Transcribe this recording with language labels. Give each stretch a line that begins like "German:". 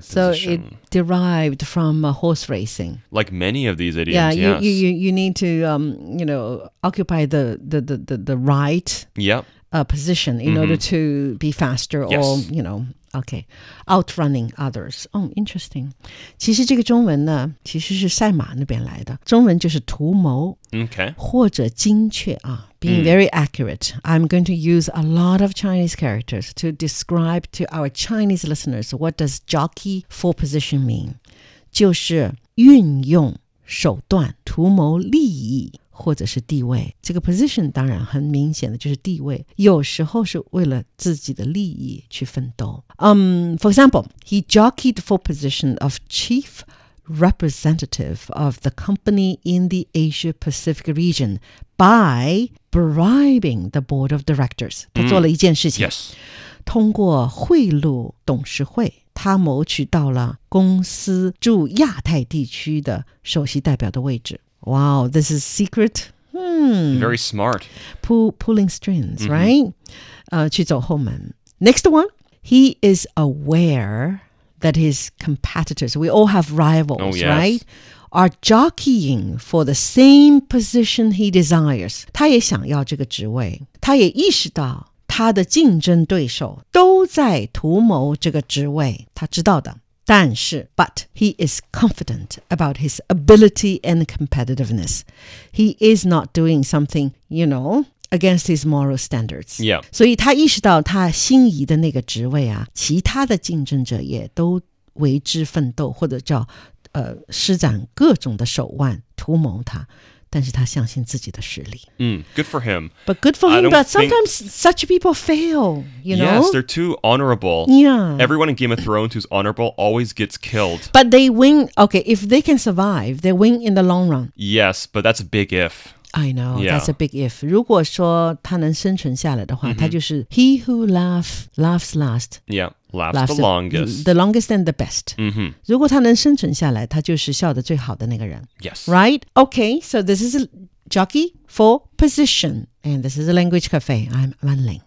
English: position. So it derived from horse racing. Like many of these idioms, yeah, yes. You need to occupy the right position in order to be faster or, you know, okay, outrunning others. Oh, interesting.
Chinese: 其实这个中文呢，其实是赛马那边来的。中文就是图谋。
English: Okay.
Chinese: 或者精确啊。
English: Being very accurate, I'm going to use a lot of Chinese characters to describe to our Chinese listeners what does jockey for position mean.
Chinese: 就是运用手段图谋利益或者是地位。这个 position 当然很明显的就是地位，有时候是为了自己的利益去奋斗。
English: For example, he jockeyed for position of chief representative of the company in the Asia-Pacific region by... bribing the board of directors.
Chinese: 他做了一件事情。
English: Yes.
Chinese: 通过贿赂董事会，他谋取到了公司驻亚太地区的首席代表的位置。
English: Wow, this is secret. Very smart. Pulling strings, right?
Chinese: 去走后门。
English: Next one. He is aware that his competitors, we all have rivals, oh, yes. right? are jockeying for the same position he desires.
Chinese: 他也想要这个职位，他也意识到他的竞争对手都在图谋这个职位，他知道的。但是
English: But he is confident about his ability and competitiveness. He is not doing something, you know, against his moral standards. Yeah.
Chinese: 所以他意识到他心仪的那个职位啊，其他的竞争者也都为之奋斗，或者叫施展各种的手腕图谋他，但是他相信自己的实力。
English: Mm, good for him. But good for him, but sometimes such people fail, you know? Yes, they're too honorable. Yeah. Everyone in Game of Thrones who's honorable always gets killed. But they win, okay, if they can survive, they win in the long run. Yes, but that's a big if. I know, yeah. That's a big if.
Chinese: 如果说他能生存下来的话、
English: mm-hmm.
Chinese: 他就是
English: he who laughs last. Yeah. Laughs the longest. The longest and the best.、 Mm-hmm.
Chinese: 如果他能生存下来，他就是笑得最好的那个人。
English: Yes. Right? Okay, so this is a jockey for position. And this is a language cafe. I'm Manling.